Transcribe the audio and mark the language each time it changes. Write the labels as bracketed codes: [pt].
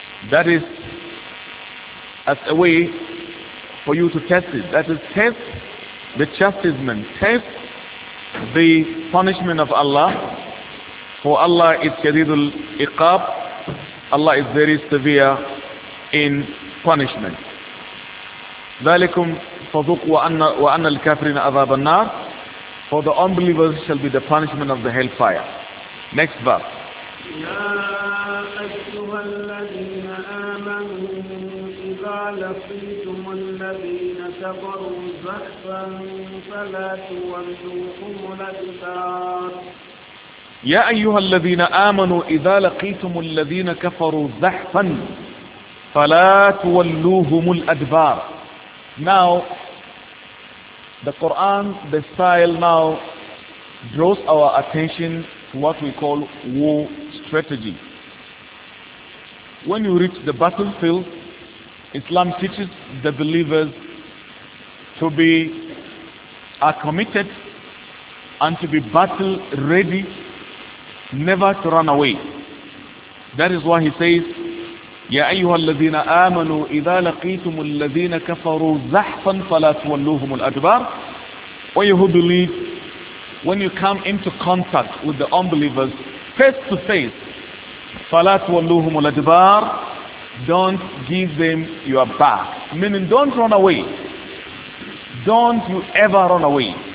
[en] That is as a way for you to test it. That is test the chastisement, test the punishment of Allah. For Allah is [ar] شديد العقاب. [en] Allah is very severe in punishment. [ar] ذلكم فذوق وأن الكافرين أذاب النار. [en] For the unbelievers shall be the punishment of the hellfire. Next verse. [ar] يا أيها الذين آمنوا إذا لقيتم الذين كفروا زحفا فلا تولوهم الأدبار. يا أيها الذين آمنوا إذا لقيتم الذين كفروا زحفا فلا تولوهم الأدبار. [en] Now, the Quran, the style now, draws our attention to what we call war strategy. When you reach the battlefield, Islam teaches the believers to be committed and to be battle ready, never to run away. That is why he says, [ar] يَا أَيُّهَا الَّذِينَ آمَنُوا إِذَا لَقِيتُمُ الَّذِينَ كَفَرُوا زَحْفًا فَلَا تُوَلُّوهُمُ الْأَدْبَارِ. [en] Or you believe, when you come into contact with the unbelievers face to face, [ar] فَلَا تُوَلُّوهُمُ الْأَدْبَارِ, [en] don't give them your back. Meaning, don't run away. Don't you ever run away.